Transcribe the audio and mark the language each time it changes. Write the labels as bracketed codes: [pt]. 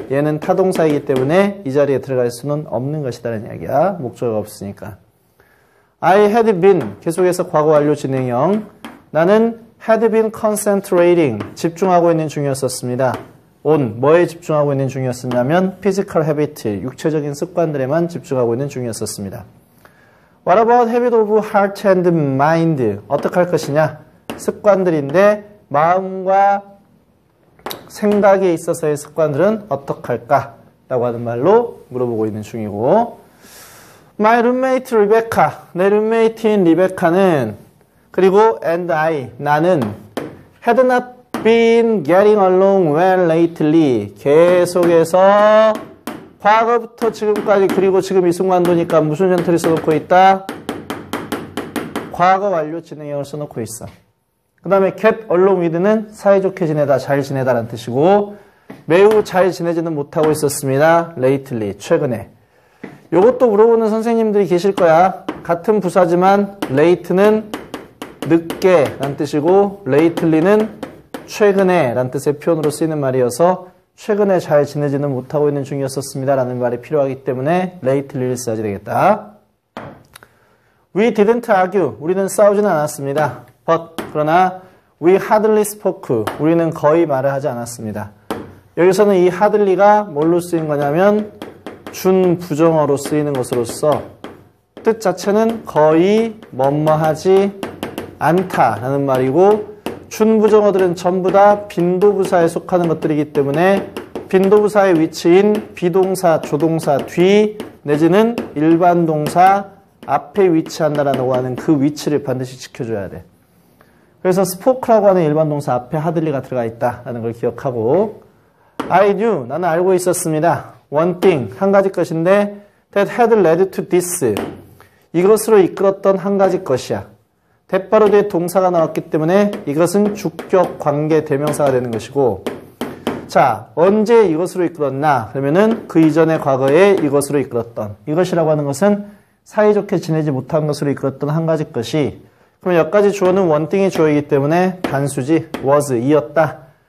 [ko] 얘는 타동사이기 때문에 이 자리에 들어갈 수는 없는 것이다라는 이야기야. 목적어가 없으니까. [en] I had been, [ko] 계속해서 과거 완료 진행형. 나는 [en] had been concentrating, [ko] 집중하고 있는 중이었었습니다. on, 뭐에 집중하고 있는 중이었었냐면, physical habit, 육체적인 습관들에만 집중하고 있는 중이었었습니다. [en] What about habit of heart and mind? [ko] 어떻게 할 것이냐? 습관들인데, 마음과 생각에 있어서의 습관들은 어떻게 할까? 라고 하는 말로 물어보고 있는 중이고. [en] My roommate Rebecca. [ko] 내 룸메이트인 리베카는, 그리고 [en] and I, [ko] 나는, [en] had not been getting along well lately. [ko] 계속해서 과거부터 지금까지 그리고 지금 이 순간도니까 무슨 형태를 써놓고 있다? 과거 완료 진행형을 써놓고 있어. 그 다음에 get along with는 사이좋게 지내다, 잘 지내다라는 뜻이고 매우 잘 지내지는 못하고 있었습니다. [en] Lately, [ko] 최근에. 요것도 물어보는 선생님들이 계실 거야. 같은 부사지만 late는 늦게 라는 뜻이고 lately는 최근에 라는 뜻의 표현으로 쓰이는 말이어서 최근에 잘 지내지는 못하고 있는 중이었었습니다 라는 말이 필요하기 때문에 lately를 써야 되겠다. [en] We didn't argue. [ko] 우리는 싸우지는 않았습니다. [en] But, [ko] 그러나 [en] We hardly spoke. [ko] 우리는 거의 말을 하지 않았습니다. 여기서는 이 hardly가 뭘로 쓰인 거냐면 준부정어로 쓰이는 것으로서 뜻 자체는 거의 뭐뭐하지 않다라는 말이고 준부정어들은 전부 다 빈도부사에 속하는 것들이기 때문에 빈도부사의 위치인 비동사, 조동사 뒤 내지는 일반 동사 앞에 위치한다라고 하는 그 위치를 반드시 지켜줘야 돼. 그래서 spoke라고 하는 일반 동사 앞에 hardly가 들어가 있다라는 걸 기억하고 [en] I knew, [ko] 나는 알고 있었습니다. [en] One thing, [ko] 한 가지 것인데 [en] that had led to this. [ko] 이것으로 이끌었던 한 가지 것이야. 대바로 뒤에 동사가 나왔기 때문에 이것은 주격 관계 대명사가 되는 것이고 자, 언제 이것으로 이끌었나? 그러면은 그 이전의 과거에 이것으로 이끌었던 이것이라고 하는 것은 사이좋게 지내지 못한 것으로 이끌었던 한 가지 것이 그럼 여기까지 주어는 one thing이 주어이기 때문에 단수지 was, 이었다.